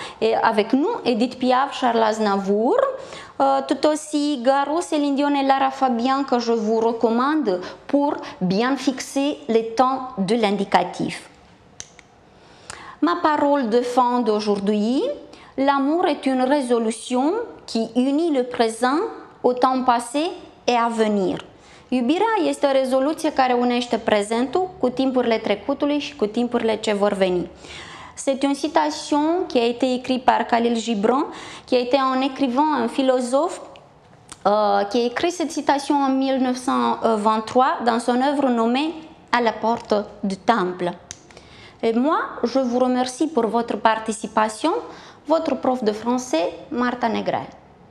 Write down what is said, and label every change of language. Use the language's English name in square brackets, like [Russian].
[French] Et avec nous, Edith Piaf, Charles Aznavour. Tout aussi, Garou, Céline Dion et Lara Fabian que je vous recommande pour bien fixer les temps de l'indicatif. Ma parole de fin d'aujourd'hui. L'amour est une résolution qui unit le présent au temps passé et à venir. [Romanian] Iubirea este o rezoluție care unește prezentul cu timpurile trecutului și cu timpurile ce vor veni. [French] C'est une citation qui a été écrite par Khalil Gibran, qui a été un écrivain, un philosophe, qui a écrit cette citation en 1923 dans son œuvre nommée « À la porte du temple ». Et moi, je vous remercie pour votre participation. Votre prof de français, Marta Negrel.